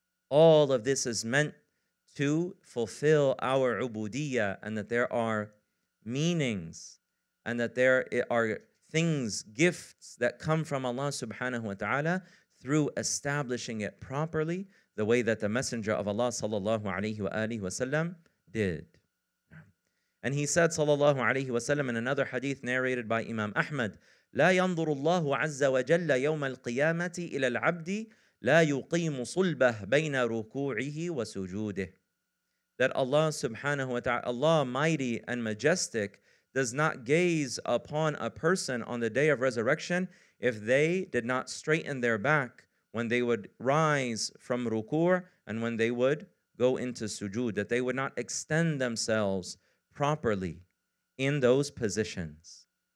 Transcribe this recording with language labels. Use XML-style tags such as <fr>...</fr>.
<en>All of this is meant to fulfill our ubudiyah, and that there are meanings, and that there are things, gifts that come from Allah subhanahu wa ta'ala through establishing it properly, the way that the Messenger of Allah sallallahu alayhi wa alihi wa sallam did. And he said</en> <ar>sallallahu alayhi wa sallam</ar> <en>in another hadith narrated by Imam Ahmad,</en> <ar>لا ينظر الله عز وجل يوم القيامة إلى العبد لا يقيم صلبه بين ركوعه وسجوده.</ar> <en>That Allah subhanahu wa ta'ala, Allah mighty and majestic, does not gaze upon a person on the day of resurrection if they did not straighten their back when they would rise from ruku' and when they would go into sujood, that they would not extend themselves properly in those positions.</en>